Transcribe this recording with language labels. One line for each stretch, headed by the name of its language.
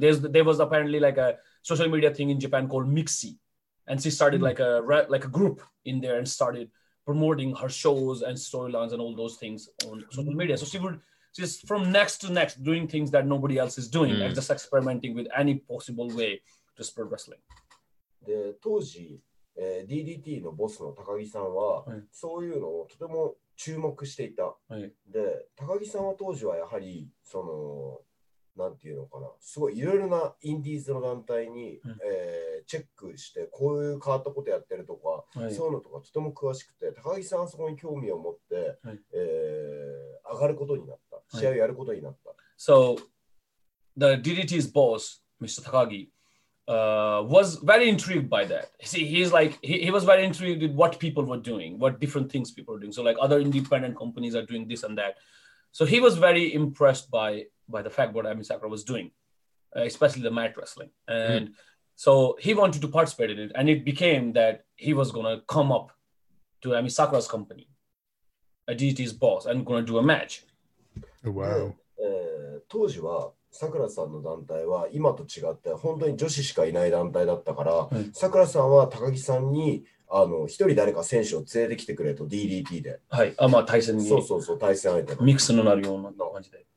English: There was apparently like a social media thing in Japan called Mixi, and she started mm-hmm. like a group in there and started promoting her shows and storylines and all those things on social media. So she's from next to next doing things that nobody else is doing, mm-hmm. like just experimenting with any possible way to spread wrestling. The Toji.
Japanese: DDT のボスの高木さんは、はい、そういうのをとても注目していた、はい、で高木さんは当時はやはりそのなんていうのかな、すごいいろいろなインディーズの団体に、はい、チェックしてこういう変わったことやってるとか、はい、そういうのとかとても詳しくて、高木さんはそこに興味を持って、はい、上がることになった、試合をやることになった、は
English: い、So the DDT's boss Mr. Takagiwas very intrigued by that. See, he's like, he was very intrigued with what people were doing, what different things people were doing. So like other independent companies are doing this and that. So he was very impressed by the fact what Ami Sakura was doing, especially the mat wrestling. And so he wanted to participate in it, and it became that he was going to come up to Ami Sakura's company, DDT's boss, and going to do a match. Oh, wow.
Japanese: 当時はさくらさんの団体は今と違って本当に女子しかいない団体だったから、さくらさんは高木さんに一人誰か選手を連れてきてくれと DDT で、はい、あ、まあ対戦に、そうそうそう、対戦相手のミックスのなるような感じで、